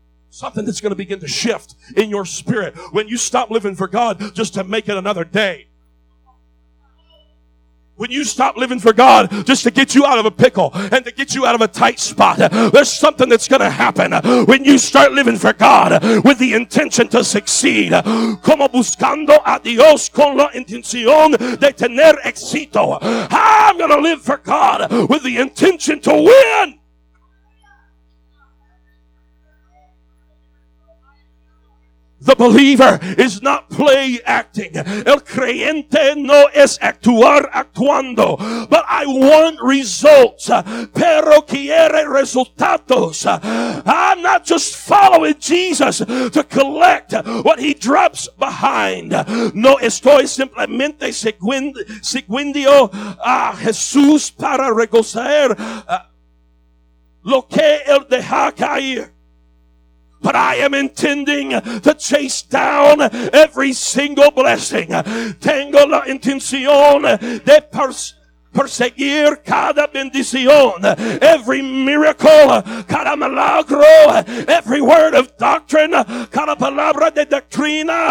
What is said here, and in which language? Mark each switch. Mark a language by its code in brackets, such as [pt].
[en] Something that's going to begin to shift in your spirit when you stop living for God just to make it another day. When you stop living for God just to get you out of a pickle and to get you out of a tight spot, there's something that's going to happen when you start living for God with the intention to succeed. [es] Como buscando a Dios con la intención de tener éxito. [en] I'm going to live for God with the intention to win. The believer is not play acting. [es] El creyente no es actuar actuando. [en] But I want results. [es] Pero quiere resultados. [en] I'm not just following Jesus to collect what he drops behind. [es] No estoy simplemente siguiendo a Jesús para recoger lo que él deja caer. [en] But I am intending to chase down every single blessing. [es] Tengo la intención de perseguir cada bendición, [en] every miracle, [es] cada milagro, [en] every word of doctrine, [es] cada palabra de doctrina.